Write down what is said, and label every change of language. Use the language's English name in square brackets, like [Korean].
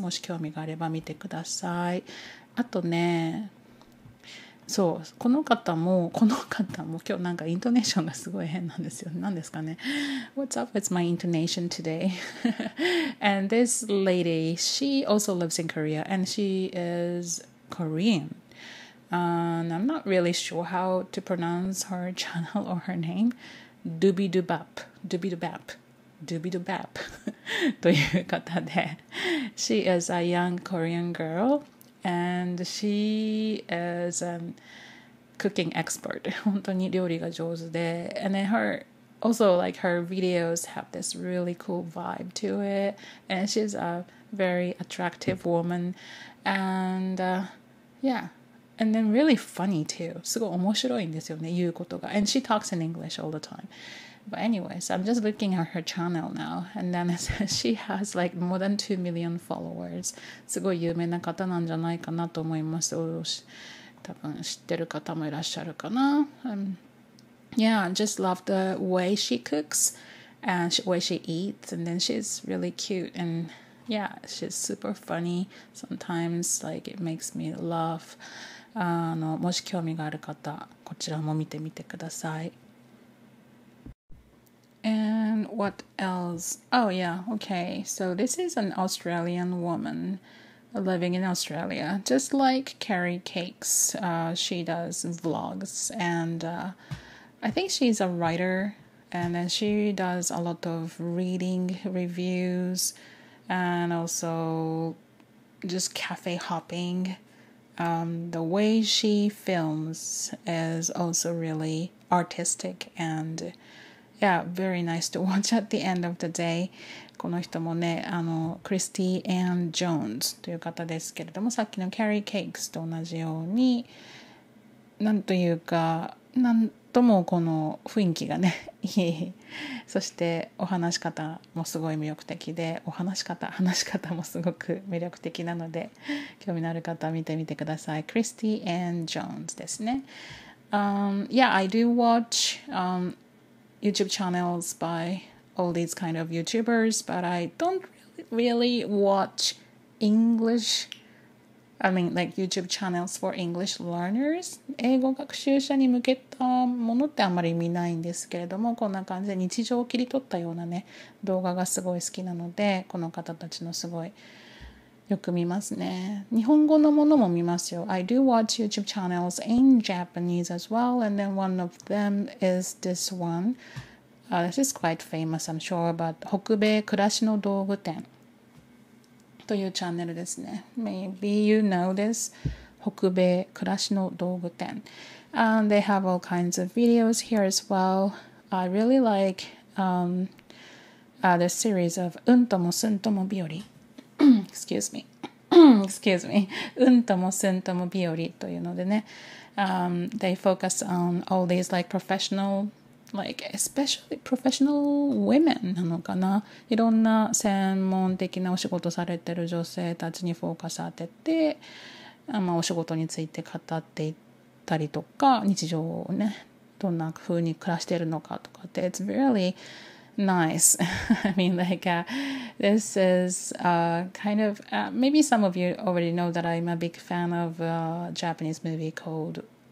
[Japanese] もし興味があれば見てください。あとね、そう、この方も、この方も今日なんかイントネーションがすごい変なんですよ。なんですかね。 [English] What's up with my intonation today? And this lady, she also lives in Korea and she is Korean. I'm not really sure how to pronounce her channel or her name. Dubidubap. Dubidubap. Dubidubap. [Japanese] という方で。 [English] She is a young Korean girl. And she is a cooking expert. [Japanese] 本当に料理が上手で。 [English] And then her, also like her videos have this really cool vibe to it. And she's a very attractive woman. And、yeah. And then really funny too. [Japanese] すごい面白いんですよね、言うことが。 [English] And she talks in English all the time. But anyways, I'm just looking at her channel now. And then it says she has like more than 2 million followers. [Japanese] すごい有名な方なんじゃないかなと思います。多分知ってる方もいらっしゃるかな。 [English] Yeah, I just love the way she cooks and the way she eats. And then she's really cute. And yeah, she's super funny. Sometimes like it makes me laugh. [Japanese] もし興味がある方、こちらも見てみてください。 [English] And what else? Oh, yeah, okay. So this is an Australian woman living in Australia. Just like Carrie Cakes, she does vlogs. And I think she's a writer and then she does a lot of reading reviews and also just cafe hopping. The way she films is also really artistic and yeah, very nice to watch at the end of the day. [Japanese] この人もね、クリスティー・アン・ジョーンズという方ですけれども、さっきのキャリー・ケイクスと同じように、なんというか、なんともこの雰囲気がね、そしてお話し方もすごい魅力的で、話し方もすごく魅力的なので、興味のある方は見てみてください。クリスティー・アン・ジョーンズですね。 [English] Yeah, I do watch YouTube channels byall these kind of YouTubers, but I don't really watch English, I mean, like YouTube channels for English learners. [Japanese] 英語学習者に向けたものってあんまり見ないんですけれども、こんな感じで日常を切り取ったようなね、動画がすごい好きなので、この方たちのすごいよく見ますね。日本語のものも見ますよ。 [English] I do watch YouTube channels in Japanese as well, and then one of them is this one. This is quite famous, I'm sure, but [Japanese] 北米暮らしの道具店というチャンネルですね。 [English] Maybe you know this. [Japanese] 北米暮らしの道具店。 [English] And they have all kinds of videos here as well. I really like the series of [Japanese] うんともすんとも日和。 [English] Excuse me. Excuse me. [Japanese] うんともすんとも日和というのでね。 [English] They focus on all these like professional... Like, especially professional women [Japanese] なのかな。いろんな専門的なお仕事されてる女性たちにフォーカス当てて、お仕事について語っていったりとか、日常をね、どんな風に暮らしてるのかとかって。 [English] It's really nice. I mean, like, this is kind of, maybe some of you already know that I'm a big fan of a Japanese movie called...